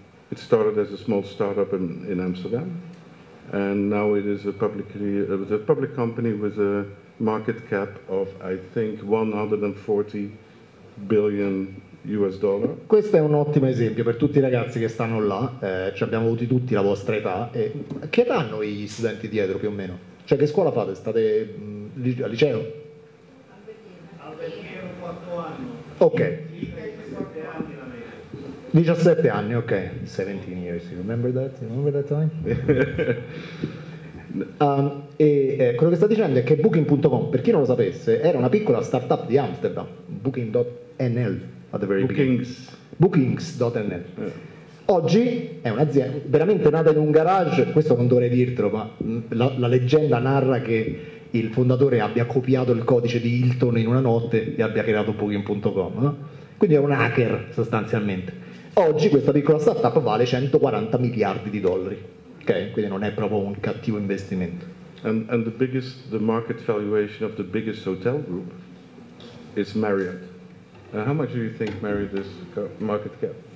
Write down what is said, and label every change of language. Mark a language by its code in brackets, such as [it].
[en] It started as a small startup in Amsterdam, and now it is a public company with a market cap of I think 140 billion US dollar. [it] Questo è un ottimo esempio per tutti i ragazzi che stanno là, cioè abbiamo avuto tutti la vostra età. E che età hanno gli studenti dietro più o meno? Cioè che scuola fate? State al liceo? Al liceo 4 anni. Ok. [en] 17 anni, ok. 17 years, you remember that? You remember that time? [it] quello che sta dicendo è che Booking.com, per chi non lo sapesse, era una piccola startup di Amsterdam, Booking.nl. [en] At the very bookings. Bookings.nl. Yeah. [it] Oggi è un'azienda veramente nata in un garage, questo non dovrei dirtelo, ma la leggenda narra che il fondatore abbia copiato il codice di Hilton in una notte e abbia creato booking.com, no? Quindi è un hacker sostanzialmente. Oggi questa piccola startup vale 140 miliardi di dollari, okay? Quindi non è proprio un cattivo investimento. [en] And the market valuation of the biggest hotel group is Marriott. How much do you think Marriott is market cap?